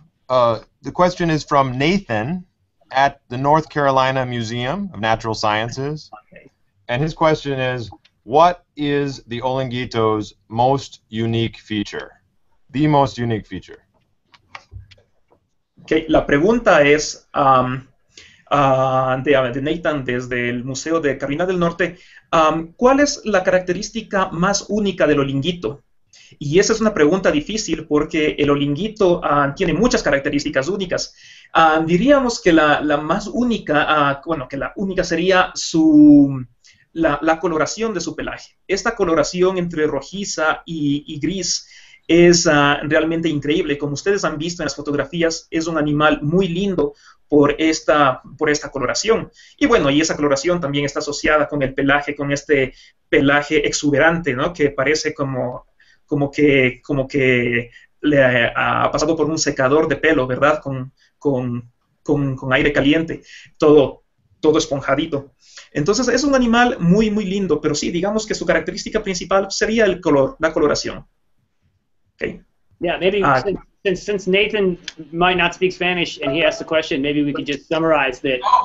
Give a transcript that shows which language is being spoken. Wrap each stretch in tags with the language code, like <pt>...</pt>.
<en>The question is from Nathan at the North Carolina Museum of Natural Sciences. Okay. And his question is, what is the oinguito's most unique feature? The most unique feature. Okay.</en> <es>La pregunta es de Nathan desde el Museo de Carolina del Norte, ¿cuál es la característica más única del olinguito? Y esa es una pregunta difícil porque el olinguito tiene muchas características únicas. Diríamos que la más única, que la única sería la coloración de su pelaje. Esta coloración entre rojiza y gris es realmente increíble. Como ustedes han visto en las fotografías, es un animal muy lindo por esta coloración. Y bueno, y esa coloración también está asociada con el pelaje, con este pelaje exuberante, ¿no? Que parece como que le ha pasado por un secador de pelo, ¿verdad? Con aire caliente, todo esponjadito. Entonces, es un animal muy, muy lindo, pero sí, digamos que su característica principal sería el color, la coloración.</es> <en>Okay. Yeah, maybe since Nathan might not speak Spanish and he asked the question, maybe we could just summarize that.</en>